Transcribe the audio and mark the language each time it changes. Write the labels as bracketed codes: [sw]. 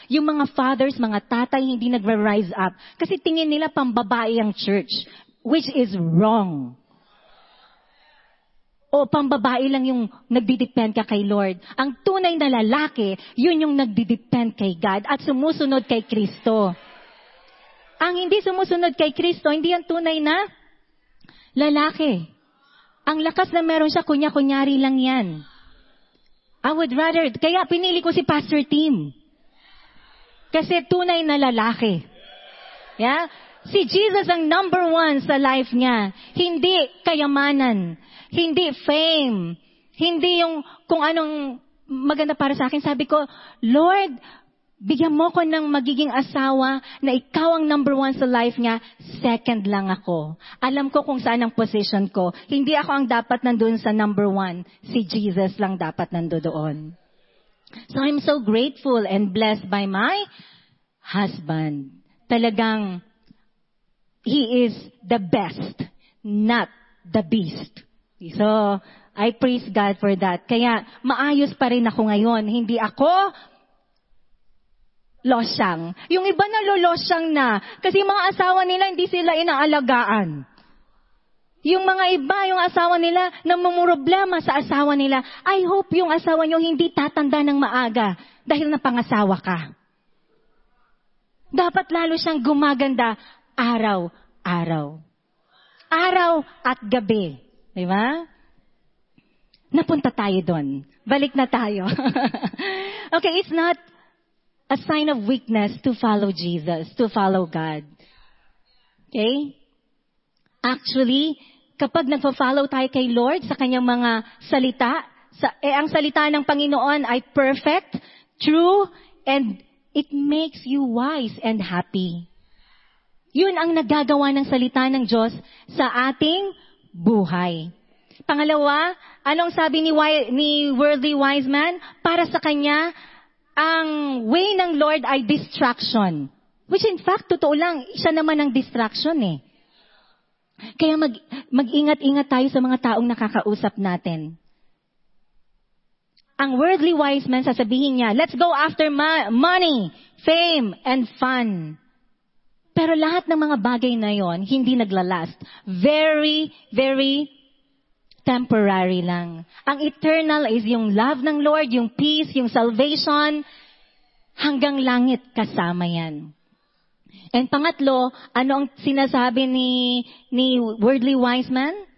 [tl] Yung mga fathers, mga tatay, hindi nagre-rise up. Kasi tingin nila pambabae ang church, [en] which is wrong. [tl] O pambabae lang yung nagdidepend ka kay Lord. Ang tunay na lalaki, yun yung nagdidepend kay God at sumusunod kay Kristo. Ang hindi sumusunod kay Kristo, hindi yung tunay na lalaki. Ang lakas na meron siya, kunya-kunyari lang yan. [en] I would rather, [tl] kaya pinili ko si Pastor Tim. Kasi tunay na lalaki. Yeah? Si Jesus ang number one sa life niya. Hindi kayamanan. Hindi fame. Hindi yung kung anong maganda para sa akin. Sabi ko, Lord, bigyan mo ko ng magiging asawa na ikaw ang number one sa life niya. Second lang ako. Alam ko kung saan ang position ko. Hindi ako ang dapat nandun sa number one. Si Jesus lang dapat nandoon. [en] So I'm so grateful and blessed by my husband. Talagang he is the best, not the beast. So, I praise God for that. [tl] Kaya, maayos pa rin ako ngayon. Hindi ako losyang. Yung iba nalolosyang na. Kasi mga asawa nila, hindi sila inaalagaan. Yung mga iba, yung asawa nila, namumroblema sa asawa nila. [en] I hope [tl] yung asawa nyo hindi tatanda ng maaga dahil na pangasawa ka. Dapat lalo siyang gumaganda araw-araw. Araw at gabi. Di ba? Napunta tayo doon. Balik na tayo. [en] Okay, it's not a sign of weakness to follow Jesus, to follow God. Okay? [tl] Actually, kapag nagfo-follow tayo kay Lord sa kanyang mga salita, ang salita ng Panginoon ay perfect, true, [en] and it makes you wise and happy. [tl] Yun ang nagagawa ng salita ng Diyos sa ating buhay. Pangalawa, anong sabi ni Worldly Wise Man? Para sa kanya, ang way ng Lord ay distraction. [en] Which in fact, [tl] totoo lang, siya naman ang distraction eh. Kaya mag-ingat-ingat tayo sa mga taong nakakausap natin. Ang Worldly Wise Man, sasabihin niya, [en] let's go after money, fame, and fun. [tl] Pero lahat ng mga bagay na yon hindi nagla-last. Very, very temporary lang. Ang eternal is yung love ng Lord, yung peace, yung salvation. Hanggang langit kasama yan. And pangatlo, ano ang sinasabi ni Worldly Wise Man?